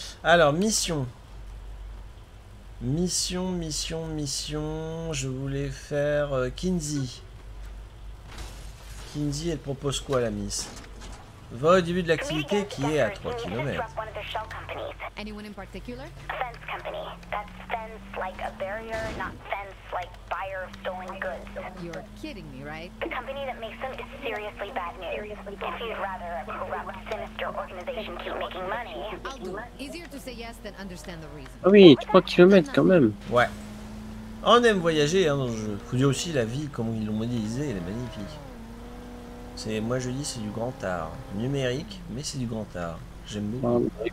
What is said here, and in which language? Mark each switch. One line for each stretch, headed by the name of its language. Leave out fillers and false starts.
French: Alors, mission. Mission. Je voulais faire Kinsey. Kinsey, elle propose quoi, la miss? Va au début de l'activité qui est à 3 km.
English: Anyone in particular? Fence company. That's fence like a barrier, not fence like buyer of stolen goods. You're kidding me, right? The company that makes them is seriously bad news. Seriously bad. If you'd rather a corrupt, sinister organization keep making money, easier to say yes than understand the reason.
French: Oui, 3 km quand même. Ouais. On aime voyager, hein, dans le jeu. Faut dire aussi la vie, comment ils l'ont modélisée, elle est magnifique. C'est, moi je dis c'est du grand art. Numérique, mais c'est du grand art. J'aime beaucoup.